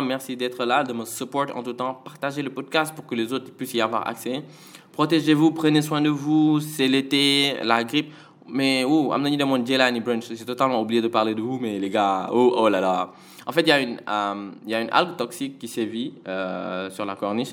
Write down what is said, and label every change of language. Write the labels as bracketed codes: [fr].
[fr] Merci d'être là, de me support en tout temps. Partagez le podcast pour que les autres puissent y avoir accès. Protégez-vous, prenez soin de vous. C'est l'été, la grippe. [en] Mais, oh, I'm not even on Jelani Brunch. [fr] J'ai totalement oublié de parler de vous, mais les gars, oh là là. En fait, il y a une algue toxique qui sévit sur la corniche.